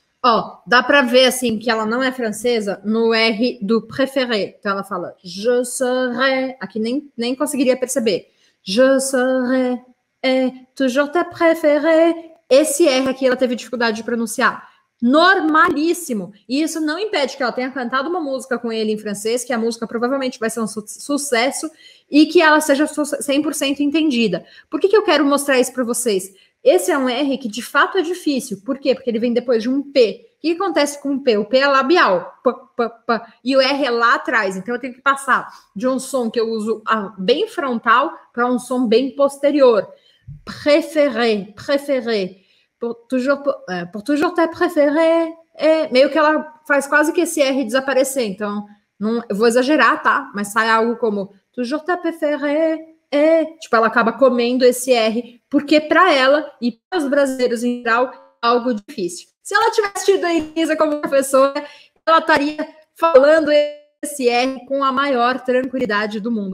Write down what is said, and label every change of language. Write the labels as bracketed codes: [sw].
[pt] Ó, oh, dá pra ver, assim, que ela não é francesa no R do préféré. Então, ela fala, [fr] je serai, [pt] aqui nem conseguiria perceber. [fr] Je serai, toujours ta préféré. [pt] Esse R aqui, ela teve dificuldade de pronunciar. Normalíssimo. E isso não impede que ela tenha cantado uma música com ele em francês, que a música provavelmente vai ser um sucesso e que ela seja 100% entendida. Por que que eu quero mostrar isso pra vocês? Esse é um R que, de fato, é difícil. Por quê? Porque ele vem depois de um P. O que acontece com um P? O P é labial. P, p, p. E o R é lá atrás. Então, eu tenho que passar de um som que eu uso bem frontal para um som bem posterior. [fr] Préféré, préféré. Por toujours ta préféré. [pt] É, meio que ela faz quase que esse R desaparecer. Então, não, eu vou exagerar, tá? Mas sai algo como [fr] toujours ta préféré. [pt] É, tipo, ela acaba comendo esse R, porque para ela e para os brasileiros em geral, é algo difícil. Se ela tivesse tido a Elisa como professora, ela estaria falando esse R com a maior tranquilidade do mundo.